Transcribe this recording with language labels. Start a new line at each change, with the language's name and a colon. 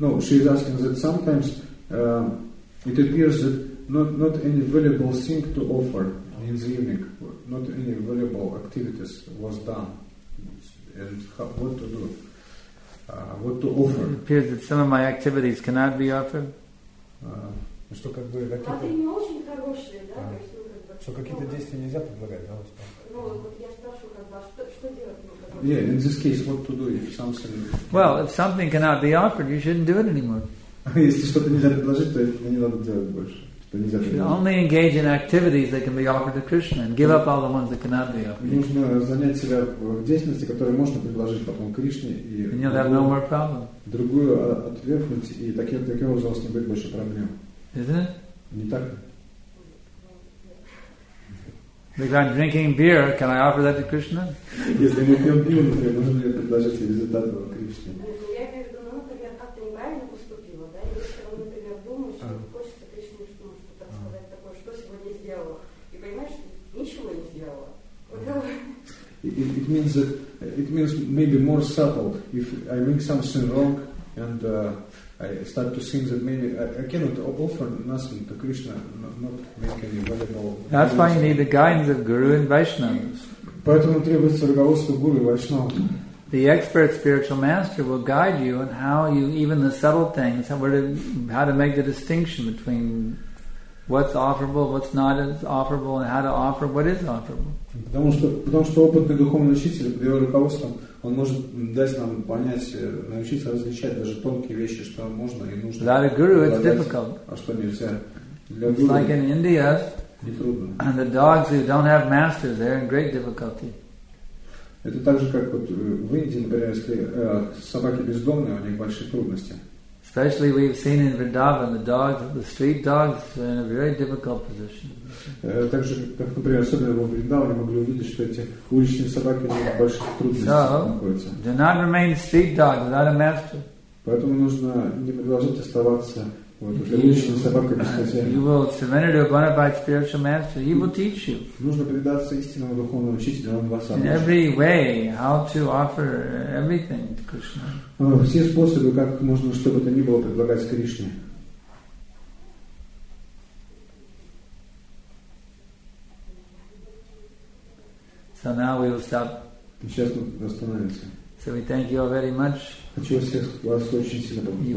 English: No, she is asking that sometimes it appears that not any valuable thing to offer in the evening, not any valuable activities was done, and what to do, what to offer. It appears that some of my activities cannot be offered.
Russian: Что как бы какие-то. А ты не очень хорошие, да? Что какие-то действия нельзя предлагать, да? Ну вот я спрашиваю, как бы, что делать?
English: Yeah, in this case, what to do if something... Well, if something cannot be offered, you shouldn't do it anymore.
Russian: Если что-то нельзя предложить, то это не надо делать больше.
English: You should only engage in activities that can be offered to Krishna and give up all the ones that cannot be offered.
Russian: Нужно занять себя в деятельности, которую можно предложить потом Кришне, и...
English: And you'll have no more problem.
Russian: Другую отвергнуть, и таким образом у вас не будет больше проблем.
English: Isn't it?
Russian: Не так?
English: Because I'm drinking beer, can I offer that to Krishna?
Russian: Если мы пьем пиво, то можно ли предложить результат Кришне? Я имею в виду, например, как-то неправильно поступила, да? Если он, например, думает, что хочется Кришне, что, так сказать, такое, что сегодня сделала, и понимаешь, что ничего не сделала.
English: It means maybe more subtle. If I make something wrong and I start to think that maybe I cannot offer nothing to Krishna, not make any valuable. That's why you need the guidance of Guru and Vaishnavas.
Russian: Поэтому требуется руководство Гуру и Вайшнава.
English: The expert spiritual master will guide you on how you, even the subtle things, how to make the distinction between what's offerable, what's not as offerable, and how to offer what is offerable.
Russian: Потому что опытный духовный учитель под его руководством он может дать нам понять, научиться различать даже тонкие вещи, что можно и нужно.
English: Without a guru, it's difficult.
Russian: А что нельзя?
English: It's like in India. And the dogs who don't have masters, they're in great difficulty.
Russian: Это так же, как вот в Индии, например, если собаки бездомные, у них большие трудности.
English: Especially we've seen in Vrindavan, the dogs, the street dogs, are in a very difficult position.
Russian: Также, как, например, особенно в Вриндаване, могли увидеть, что эти уличные собаки, у них больших трудностей находятся.
English: Do not remain street dogs without a master.
Russian: Поэтому нужно не продолжать оставаться
English: You will surrender to a bona fide spiritual master. He will teach you.
Russian: Нужно предаться истинному духовному учителю, он вас обучит.
English: In every way, how to offer everything to Krishna.
Russian: Все способы, как можно, чтобы это ни было предлагать Кришне.
English: So now we will stop.
Russian: Сейчас мы остановимся.
English: So we thank you all very much.
Russian: Хочу всех вас очень сильно поблагодарить.